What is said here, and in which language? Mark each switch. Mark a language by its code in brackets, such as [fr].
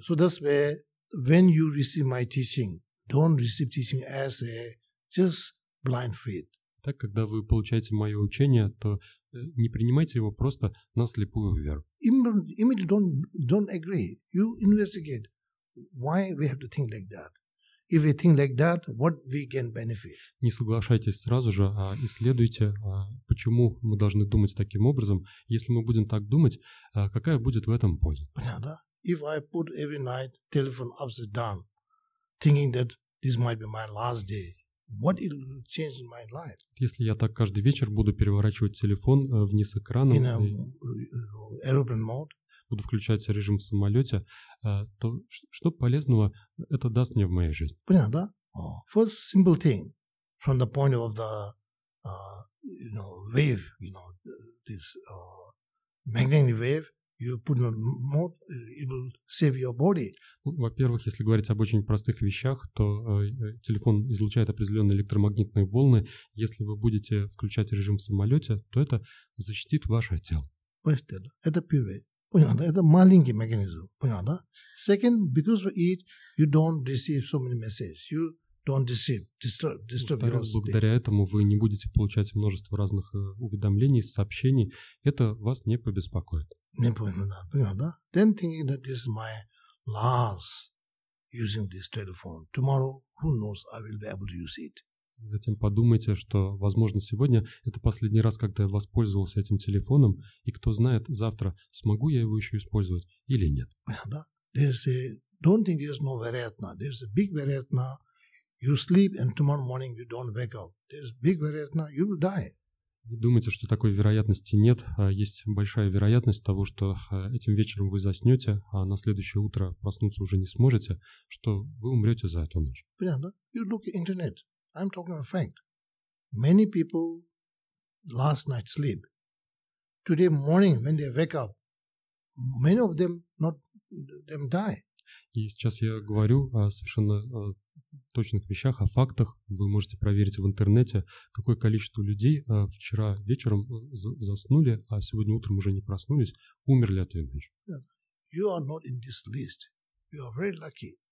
[en] So that's where when you receive my teaching, don't receive teaching as a just blind faith. [ru] Так когда вы получаете моё учение, то не принимайте его просто на слепую веру. [en] Immediately don't agree. You investigate why we have to think like that. If we think like that, what we can benefit? [ru] Не соглашайтесь сразу же, а исследуйте, почему мы должны думать таким образом. Если мы будем так думать, какая будет в этом польза? Понятно? [en] If I put every night telephone upside down, thinking that this might be my last day, what it will change in my life? [ru] Если я так каждый вечер буду переворачивать телефон вниз экраном, [en] in a aeroplane mode, [ru] буду включать режим в самолете, то что полезного это даст мне в моей жизни? Понятно, да? [en] First simple thing, from the point of the, you know, wave, you know, this magnetic wave, you put in a mode, it will save your body. [ru] Во-первых, если говорить об очень простых вещах, то телефон излучает определенные электромагнитные волны. Если вы будете включать режим в самолете, то это защитит ваше тело. Понятно, это первое. Понятно, это маленький механизм. Понятно. [en] Second, because we eat, you don't receive so many messages. You don't receive disturb your sleep. [ru] Благодаря этому вы не будете получать множество разных уведомлений, сообщений. Это вас не побеспокоит. Не понятно, понятно. [en] Then thinking that this is my last using this telephone. Tomorrow, who knows, I will be able to use it. [ru] Затем подумайте, что, возможно, сегодня это последний раз, когда я воспользовался этим телефоном, и кто знает, завтра смогу я его еще использовать или нет. Да. [en] There's a, don't think there's no [ru] вероятно. [en] There's a big вероятно. You sleep and tomorrow morning you don't wake up. There's big [ru] вероятно. [en] You will die. [ru] Не думайте, что такой вероятности нет. Есть большая вероятность того, что этим вечером вы заснете, а на следующее утро проснуться уже не сможете, что вы умрете за эту ночь. Понятно. [en] You look at internet. I'm talking a fact. Many people last night sleep. Today morning when they wake up, many of them not them die. [ru] И сейчас я говорю о совершенно точных вещах, о фактах. Вы можете проверить в интернете, какое количество людей вчера вечером заснули, а сегодня утром уже не проснулись, умерли от этой ночи. [en] You are not in this list. You are very lucky.